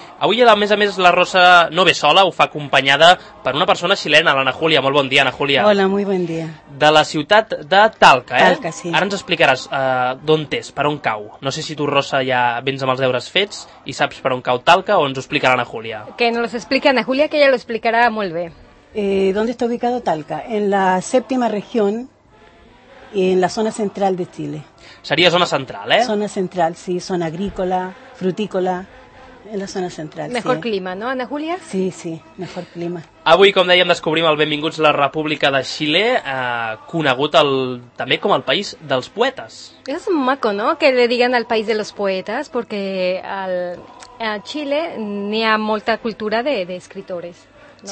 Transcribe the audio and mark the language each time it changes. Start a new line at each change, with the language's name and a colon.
Catalan: Avui, a més, la Rosa no ve sola, ho fa acompanyada per una persona xilena, l'Ana Júlia. Molt bon dia, Ana Júlia.
Spanish: Hola, muy buen día.
Catalan: De la ciutat de Talca, Talca, sí. Ara ens explicaràs d'on és, per on cau. No sé si tu, Rosa, ja vens amb els deures fets i saps per on cau Talca o ens ho explicarà Ana Júlia.
Spanish: Que no los explica Ana Júlia, que ella lo
Catalan: explicarà molt bé.
Spanish: ¿Dónde está ubicado Talca? En la séptima región, en la zona central de Chile.
Catalan: Seria zona central, eh?
Spanish: Zona central, sí, zona agrícola, frutícola... En la zona central, mejor sí. Clima, ¿no, Ana Júlia? Sí, sí, mejor clima.
Catalan: Avui, com dèiem, descobrim el Benvinguts a la República de Xile, conegut el, també com el País dels Poetes. És maco,
Spanish: ¿no?, que le digan al País de los Poetas, porque a Xile
Catalan: n'hi ha molta
Spanish: cultura de escritores, ¿no?